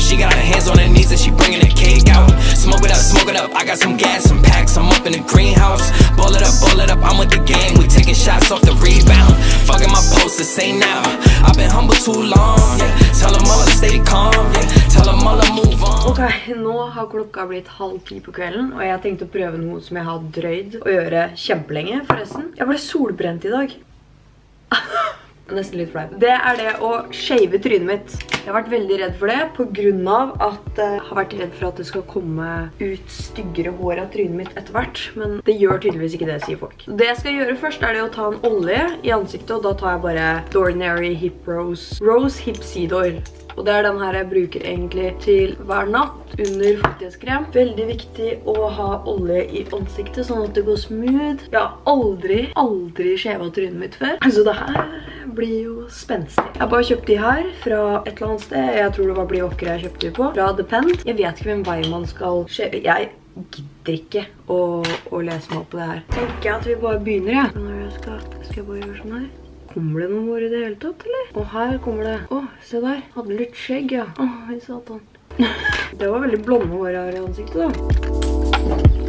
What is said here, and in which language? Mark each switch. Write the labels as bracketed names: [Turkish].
[English] She got her hands on her knees and she bringing the cake out. Smoke it up, smoke it up. I got some gas, some packs. I'm up in the greenhouse. Ball it up, I'm with the gang. We taking shots off the rebound. Fucking my post to say now. I've been humble too long. Yeah. Tell them all to stay calm. Yeah. Tell them all to move on. [Norwegian] Ok, nå har klokka blitt 9:30 på kvelden, og jeg tenkte å prøve noe som jeg har drøyd å gjøre kjempelenge, forresten. Jeg ble solbrent i dag. nesten litt flau. Det er det å shave trynet mitt. Jeg har vært veldig redd for det, på grunn av at jeg har vært redd for at det skal komme ut styggere hår av trynet mitt etter hvert. Men det gjør tydeligvis ikke det, sier folk. Det jeg skal gjøre først er det å ta en olje i ansiktet, og da tar jeg bare Dornary Hip Rose. Rose Hip Seed Oil. Og det er den her jeg bruker egentlig til hver natt under fuktighetskrem. Veldig viktig å ha olje i ansiktet sånn at det går smooth. Jeg har aldri shavet trynet mitt før. Altså det her blir jo spenstig. Jeg har bare kjøpt de her fra et eller annet sted. Jeg tror det var Bli Vakre jeg kjøpte de på. Fra The Pent. Jeg vet ikke hvem vei man skal shave. Jeg gidder ikke å lese meg opp på det her. Tenker jeg at vi bare begynner, ja. Når jeg skal jeg bare gjøre sånn her. Kommer det noen hår i det hele tatt, eller? Å, her kommer det. Å, se der. Hadde litt skjegg, ja. Å, i satan. Det var veldig blonde hår her i ansiktet, da.